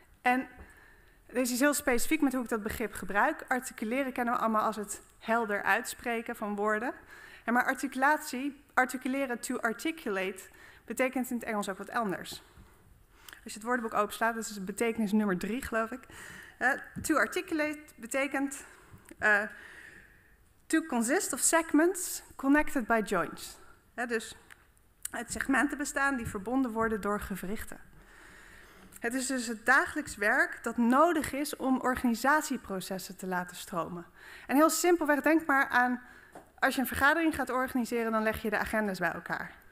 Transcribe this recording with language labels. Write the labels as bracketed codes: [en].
[nl] En dit is heel specifiek met hoe ik dat begrip gebruik. Articuleren kennen we allemaal als het helder uitspreken van woorden. Maar articulatie, articuleren, to articulate, betekent in het Engels ook wat anders. Als je het woordenboek openslaat, dat is betekenis nummer 3, geloof ik. [en] To articulate [nl] betekent [en] to consist of segments connected by joints. [nl] Dus uit segmenten bestaan die verbonden worden door gewrichten. Het is dus het dagelijks werk dat nodig is om organisatieprocessen te laten stromen. En heel simpelweg, denk maar aan, als je een vergadering gaat organiseren, dan leg je de agendas bij elkaar.